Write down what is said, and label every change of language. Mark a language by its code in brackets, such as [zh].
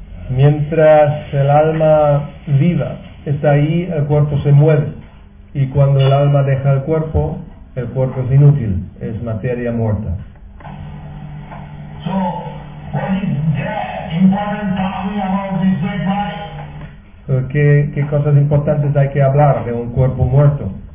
[es] Mientras el alma viva está ahí, el cuerpo se mueve. Y cuando el alma deja el cuerpo es inútil, es materia muerta. [en] So, what is there important talking about this dead body? [es] ¿Qué cosas importantes hay que hablar de un cuerpo muerto?